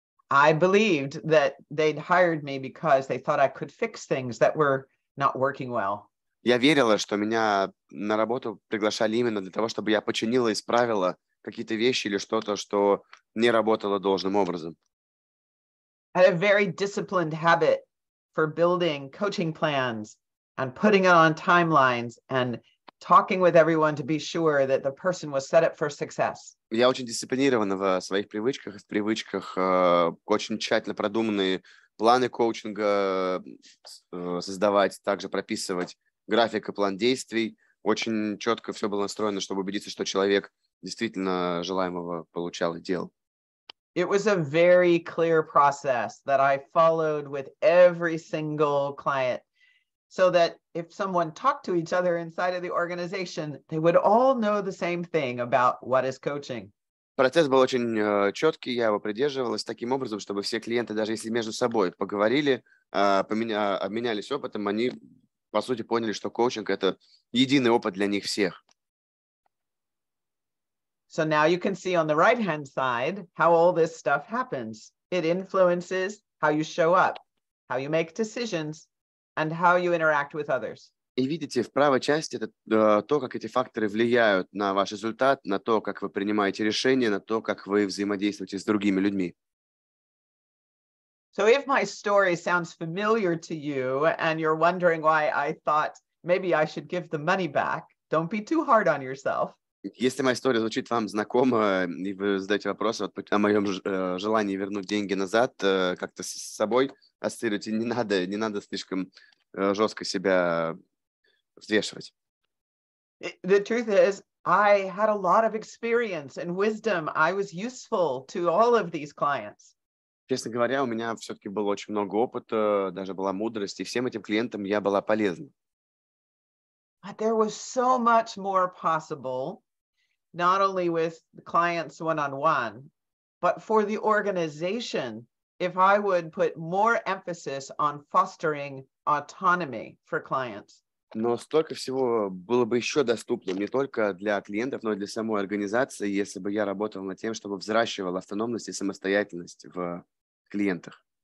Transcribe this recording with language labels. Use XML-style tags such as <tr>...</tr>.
<en>I believed that they'd hired me because they thought I could fix things that were not working well.</en> <ru>Я верила, что меня на работу приглашали именно для того, чтобы я починила и исправила какие-то вещи или что-то, что не работало должным образом.</ru> <en>I had a very disciplined habit for building coaching plans and putting it on timelines and talking with everyone to be sure that the person was set up for success.</en> <ru>Я очень дисциплинирован в своих привычках, в привычках очень тщательно продуманные планы коучинга создавать, также прописывать график и план действий. Очень четко все было настроено, чтобы убедиться, что человек действительно желаемого получал и делал.</ru> <en>It was a very clear process that I followed with every single client, so that if someone talked to each other inside of the organization, they would all know the same thing about what is coaching.</en> <ru>Процесс был очень четкий, я его придерживалась таким образом, чтобы все клиенты, даже если между собой поговорили, обменялись опытом, они, по сути, поняли, что коучинг — это единый опыт для них всех.</ru> <en>So now you can see on the right-hand side how all this stuff happens. It influences how you show up, how you make decisions, and how you interact with others.</en> <ru>И видите, в правой части это то, как эти факторы влияют на ваш результат, на то, как вы принимаете решения, на то, как вы взаимодействуете с другими людьми.</ru> <en>So if my story sounds familiar to you and you're wondering why I thought maybe I should give the money back, don't be too hard on yourself.</en> <ru>Если моя история звучит вам знакомо, и вы задаете вопрос о моем желании вернуть деньги назад, как-то с собой ассоциируйте, не надо слишком жестко себя взвешивать.</ru> <en>The truth is, I had a lot of experience and wisdom. I was useful to all of these clients.</en> <ru>Честно говоря, у меня все-таки было очень много опыта, даже была мудрость, и всем этим клиентам я была полезна.</ru> <en>But there was so much more possible. Not only with clients one-on-one, but for the organization, if I would put more emphasis on fostering autonomy for clients.</en> <ru>Но столько всего было бы еще доступно не только для клиентов, но и для самой организации, если бы я работал над тем, чтобы взращивал автономность и самостоятельность в клиентах.</ru>